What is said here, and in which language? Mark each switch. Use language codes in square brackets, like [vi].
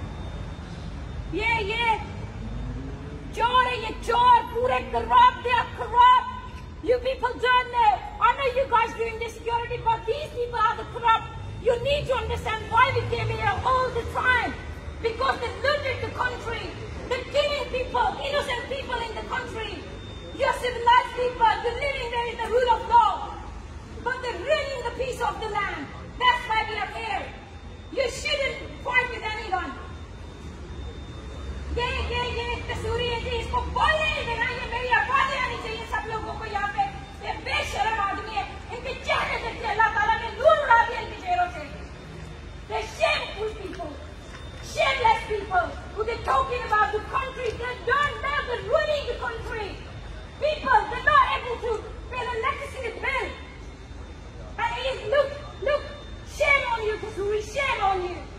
[hi] ये चोर है, ये चोर पूरे करप्ट है, corrupt. [en] You people don't know, I know you guys doing this security, but these people are the corrupt. You need to understand why we came here all the time, because they looted the country, they killing people, innocent people in the country. You're civilized people, you're living there in the rule of law, but they're ruining the peace of the land. That's why we are here. You shouldn't fight with anyone. [hi] ये ये ये कसूरी है जी, इसको बोले देना, ये मेरी आवाज आनी चाहिए सब लोगों को यहाँ पे। ये बेशरम आदमी है, इनके चेहरे देखिए अल्लाह ताला ने नूर उड़ा दिया इनके चेहरों से। [en] ये shameful people, shameless people, who they're talking about the country, they don't know they're ruining the country. People, they're not able to pay the electricity bill. And it is, look, look, shame on you, Kasuri, shame on you.